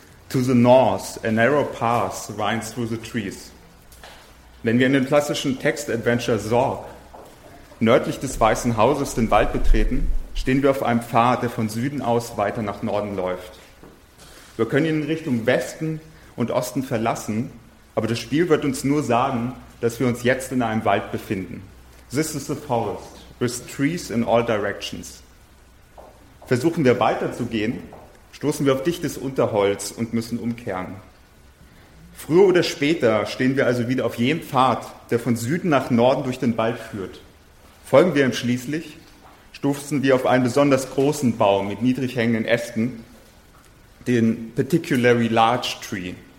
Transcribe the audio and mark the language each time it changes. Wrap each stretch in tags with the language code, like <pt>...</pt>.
<en>To the north, a narrow path winds through the trees.</en> <de>Wenn wir in den klassischen Text-Adventure Zork nördlich des Weißen Hauses den Wald betreten, stehen wir auf einem Pfad, der von Süden aus weiter nach Norden läuft. Wir können ihn in Richtung Westen und Osten verlassen, aber das Spiel wird uns nur sagen, dass wir uns jetzt in einem Wald befinden.</de> <en>This is the forest, with trees in all directions.</en> <de>Versuchen wir weiterzugehen, stoßen wir auf dichtes Unterholz und müssen umkehren. Früher oder später stehen wir also wieder auf jenem Pfad, der von Süden nach Norden durch den Wald führt. Folgen wir ihm schließlich, stoßen wir auf einen besonders großen Baum mit niedrig hängenden Ästen, den Particularly Large Tree.</de>